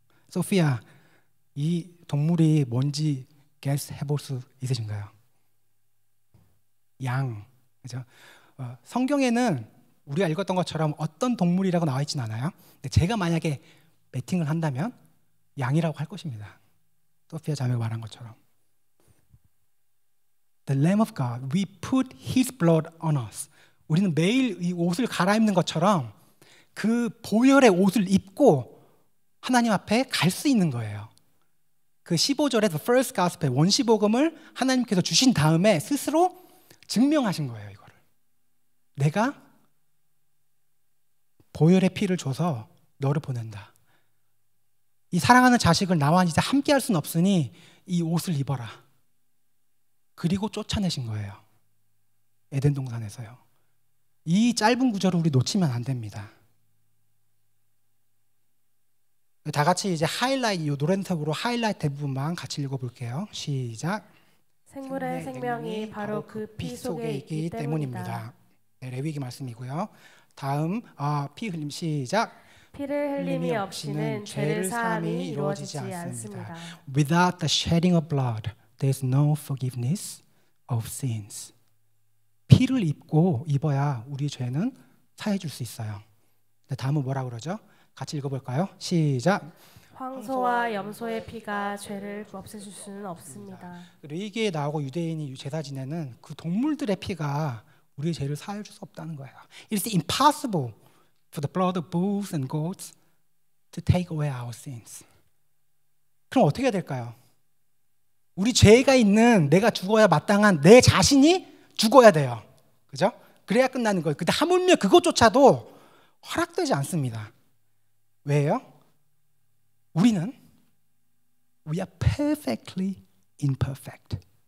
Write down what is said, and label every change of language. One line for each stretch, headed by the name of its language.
Korean: 소피아, 이 동물이 뭔지 guess 해볼 수 있으신가요? 양, 그죠? 성경에는 우리가 읽었던 것처럼 어떤 동물이라고 나와 있진 않아요. 근데 제가 만약에 배팅을 한다면 양이라고 할 것입니다. 소피아 자매가 말한 것처럼.
English: The Lamb of God, we put his blood on us.
Korean: 우리는 매일 이 옷을 갈아입는 것처럼 그 보혈의 옷을 입고 하나님 앞에 갈 수 있는 거예요. 그 15절의 The First Gospel, 원시복음을 하나님께서 주신 다음에 스스로 증명하신 거예요, 이거를. 내가 보혈의 피를 줘서 너를 보낸다. 이 사랑하는 자식을 나와 이제 함께 할 순 없으니 이 옷을 입어라. 그리고 쫓아내신 거예요. 에덴 동산에서요. 이 짧은 구절을 우리 놓치면 안 됩니다. 다 같이 이제 하이라이트, 이 노랜색으로 하이라이트 대부분만 같이 읽어볼게요. 시작! 생물의 생명이 바로 그 피 속에 있기 때문입니다. 네, 레위기 말씀이고요. 다음, 피 흘림 시작! 피를 흘림이 없이는 죄를 사함이 이루어지지 않습니다.
English: Without the shedding of blood, there is no forgiveness of sins.
Korean: 피를 입고 입어야 우리 죄는 사해줄 수 있어요. 네, 다음은 뭐라고 그러죠? 같이 읽어볼까요? 시작! 황소와 염소의 피가 죄를 없애줄 수는 없습니다. 레위기에 나오고 유대인이 제사 지내는 그 동물들의 피가 우리의 죄를 사해줄 수 없다는 거예요.
English: It's impossible for the blood of bulls and goats to take away our sins.
Korean: 그럼 어떻게 해야 될까요? 우리 죄가 있는 내가 죽어야 마땅한 내 자신이 죽어야 돼요. 그죠? 그래야 끝나는 거예요. 근데 하물며 그것조차도 허락되지 않습니다. 왜요? 우리는
English: we are perfectly imperfect.